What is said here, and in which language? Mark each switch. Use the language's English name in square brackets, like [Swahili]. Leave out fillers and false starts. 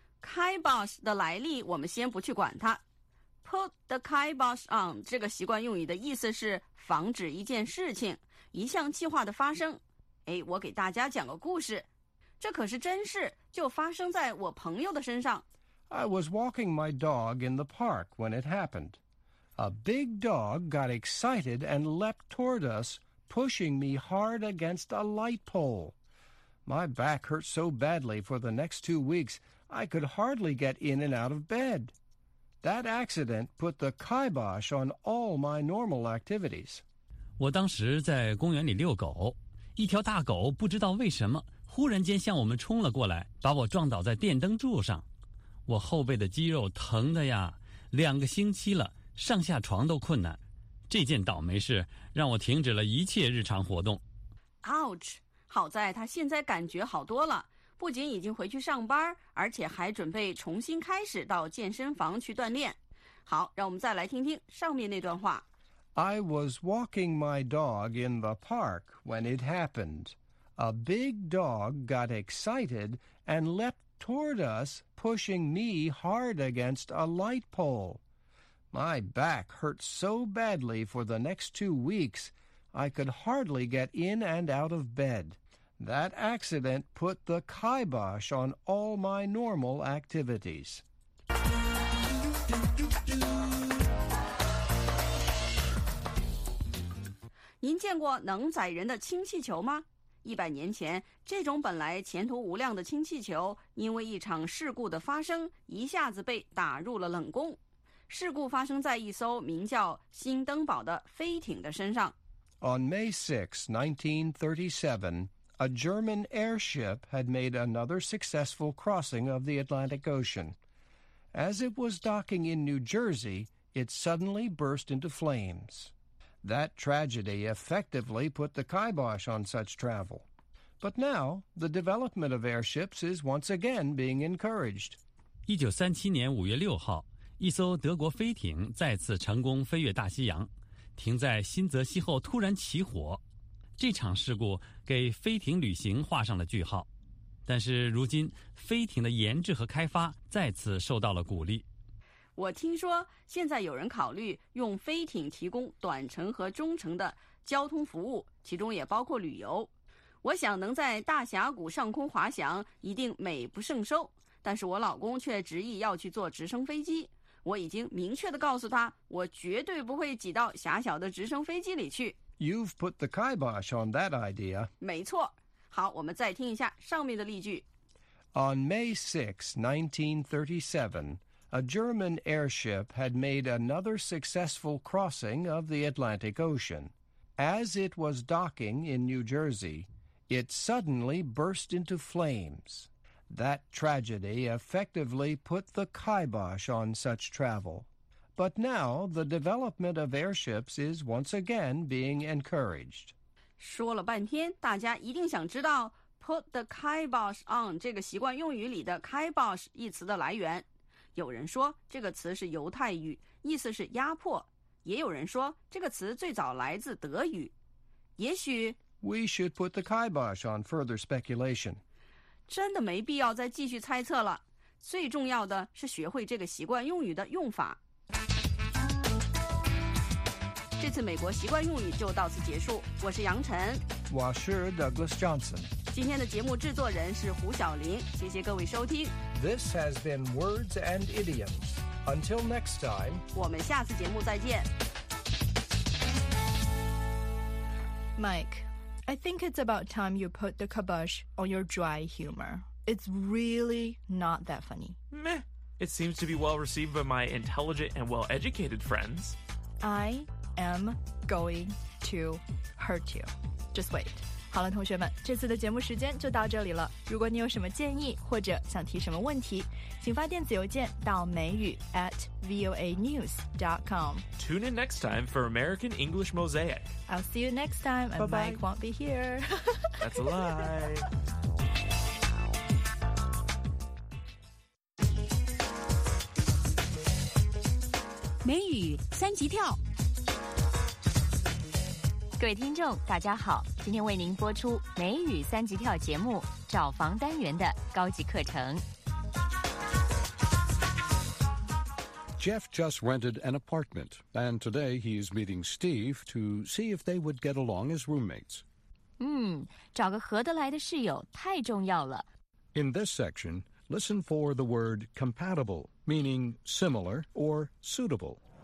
[Chinese] Kibosh 的来历我们先不去管它。 [English] Put the kibosh on [Chinese] 这个习惯用语的意思是防止一件事情、一项计划的发生。哎，我给大家讲个故事，这可是真事，就发生在我朋友的身上。 [English] I was walking my dog in the park when it happened. A big dog got excited and leapt toward us, pushing me hard against a light pole. My back hurt so badly for the next 2 weeks, I could hardly get in and out of bed. That accident put the kibosh on all my normal activities. [Chinese] 我当时在公园里遛狗，一条大狗不知道为什么忽然间向我们冲了过来，把我撞倒在电灯柱上。我后背的肌肉疼的呀，两个星期了，上下床都困难。这件倒霉事让我停止了一切日常活动。 [English] Ouch！ [Chinese] 好在他现在感觉好多了，不仅已经回去上班，而且还准备重新开始到健身房去锻炼。好，让我们再来听听上面那段话。 [English] I was walking my dog in the park when it happened. A big dog got excited and leapt toward us, pushing me hard against a light pole. My back hurt so badly for the next 2 weeks, I could hardly get in and out of bed. That accident put the kibosh on all my normal activities. [Chinese] 您见过能载人的氢气球吗？100年前，这种本来前途无量的氢气球，因为一场事故的发生，一下子被打入了冷宫。事故发生在一艘名叫“新登堡”的飞艇的身上。 [English] On May 6, 1937, a German airship had made another successful crossing of the Atlantic Ocean. As it was docking in New Jersey, it suddenly burst into flames. That tragedy effectively put the kibosh on such travel. But now, the development of airships is once again being encouraged. [Chinese] 1937年5月6号，一艘德国飞艇再次成功飞越大西洋，停在新泽西后突然起火。这场事故给飞艇旅行画上了句号。但是如今，飞艇的研制和开发再次受到了鼓励。我听说现在有人考虑用飞艇提供短程和中程的交通服务，其中也包括旅游。我想能在大峡谷上空滑翔一定美不胜收，但是我老公却执意要去坐直升飞机。我已经明确地告诉他，我绝对不会挤到狭小的直升飞机里去。 [English] You've put the kibosh on that idea. [Chinese] 没错。好，我们再听一下上面的例句。 [English] On May 6, 1937, A German airship had made another successful crossing of the Atlantic Ocean. As it was docking in New Jersey, it suddenly burst into flames. That tragedy effectively put the kibosh on such travel. But now the development of airships is once again being encouraged. [Chinese] 说了半天，大家一定想知道 [English] put the kibosh on [Chinese] 这个习惯用语里的 kibosh 一词的来源。有人说这个词是犹太语，意思是压迫，也有人说这个词最早来自德语。也许 [English] We should put the kibosh on further speculation. [Chinese] 真的没必要再继续猜测了，最重要的是学会这个习惯用语的用法。这次美国习惯用语就到此结束，我是杨晨，我是 Douglas Johnson。今天的节目制作人是胡晓玲，谢谢各位收听。 [English] This has been Words and Idioms. Until next time, [Chinese] 我们下次节目再见。 [English] Mike, I think it's about time you put the kibosh on your dry humor. It's really not that funny. Meh, it seems to be well received by my intelligent and well-educated friends. I am going to hurt you. Just wait. [Chinese] 好了，同学们，这次的节目时间就到这里了。如果你有什么建议或者想提什么问题，请发电子邮件到美语@voanews.com. [English] Tune in next time for American English Mosaic. I'll see you next time, and Mike won't be here. That's a lie. [Chinese] 美语三级跳。各位听众大家好，今天为您播出美语三级跳节目找房单元的高级课程。 [English] Jeff just rented an apartment, and today he is meeting Steve to see if they would get along as roommates. [Chinese] 找个合得来的室友太重要了。 [English] In this section, listen for the word compatible, meaning similar or suitable.